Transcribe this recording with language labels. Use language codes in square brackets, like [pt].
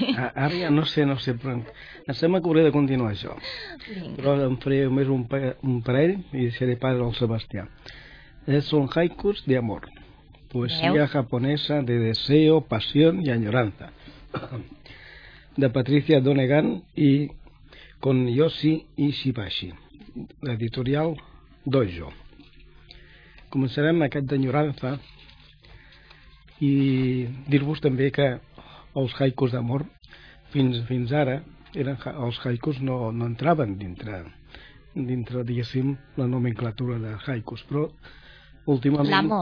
[ca] Ara ja no sé, però em sembla que hauré de continuar això. Vinga. Però em faré només un parell i seré pas al Sebastià. Són haikus de amor. [es] Poesía japonesa de deseo, pasión y añoranza, de Patricia Donegan y con Yoshi Ishibashi, editorial Dojo. [ca] Començarem aquest d'enyorança i dir-vos també que els haikus d'amor fins ara eren, els haikus no entraven dintre, diguéssim, la nomenclatura de haikus, però últimament...